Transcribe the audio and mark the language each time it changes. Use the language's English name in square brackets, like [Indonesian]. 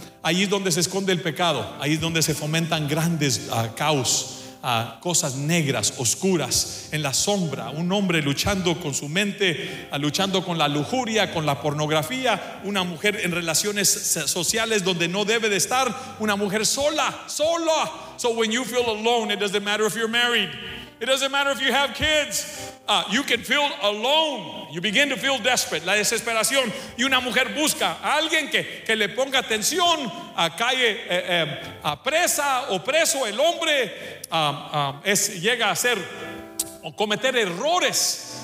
[Spanish] Ahí es donde se esconde el pecado. Ahí es donde se fomentan grandes caos, cosas negras, oscuras, en la sombra. Un hombre luchando con su mente, luchando con la lujuria, con la pornografía. Una mujer en relaciones sociales donde no debe de estar. Una mujer sola, sola. [English] So when you feel alone, it doesn't matter if you're married. It doesn't matter if you have kids. You can feel alone. You begin to feel desperate. La desesperación. [Spanish] Y una mujer busca a alguien que le ponga atención. Cae a presa o preso el hombre. Llega a hacer o cometer errores.